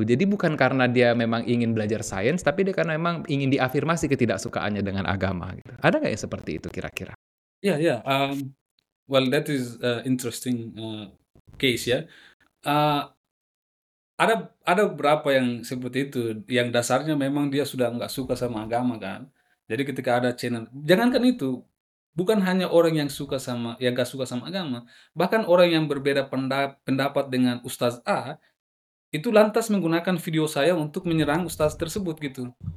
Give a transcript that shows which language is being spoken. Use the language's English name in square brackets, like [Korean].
[Indonesian] Jadi bukan karena dia memang ingin belajar sains, tapi dia karena memang ingin diafirmasi ketidaksukaannya dengan agama. Gitu. Ada nggak yang seperti itu kira-kira? [English] Well, that is interesting case ya. [Indonesian] Ada berapa yang seperti itu yang dasarnya memang dia sudah nggak suka sama agama kan. Jadi ketika ada channel, jangankan itu, bukan hanya orang yang suka sama yang nggak suka sama agama, bahkan orang yang berbeda pendapat dengan Ustaz A itu lantas menggunakan video saya untuk menyerang Ustaz tersebut gitu.